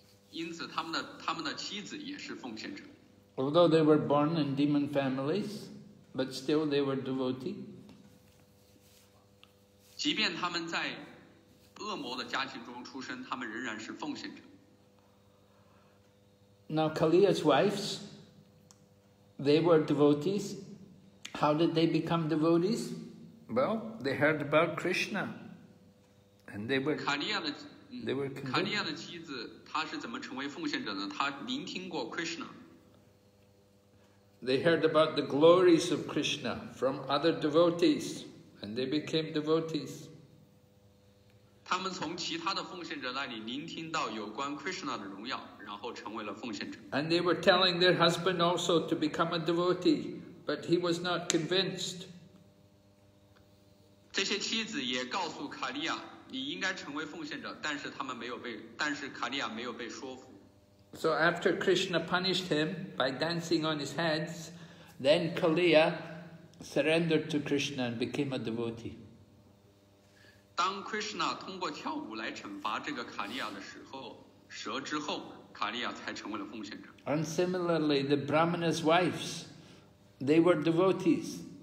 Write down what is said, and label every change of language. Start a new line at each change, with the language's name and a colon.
Chinese: 因此他们的妻子也是奉献者。
English: Although they were born in demon families, but still they were devotee.
Chinese: 即便他们在恶魔的家庭中出生，他们仍然是奉献者。
English: Now Kaliya's wives, they were devotees. How did they become devotees? Well, they heard about Krishna, and they were. They were convinced.
Chinese: Kaliya 的妻子。他是怎么成为奉献者呢？他聆听过 Krishna.
English: They heard about the glories of Krishna from other devotees, and they became devotees.
Chinese: 他们从其他的奉献者那里聆听到有关 Krishna 的荣耀，然后成为了奉献者。
English: And they were telling their husband also to become a devotee, but he was not convinced.
Chinese: 这些妻子也告诉卡利亚。你应该成为奉献者，但是他们没有被，但是卡利亚没有被说服。
English: So after Krishna punished him by dancing on his heads, then Kaliya surrendered to Krishna and became a devotee.
Chinese: 当 Krishna 通过跳舞来惩罚这个卡利亚的时候，蛇之后，卡利亚才成为了奉献者。
English: And similarly, the Brahmana's wives, they were devotees.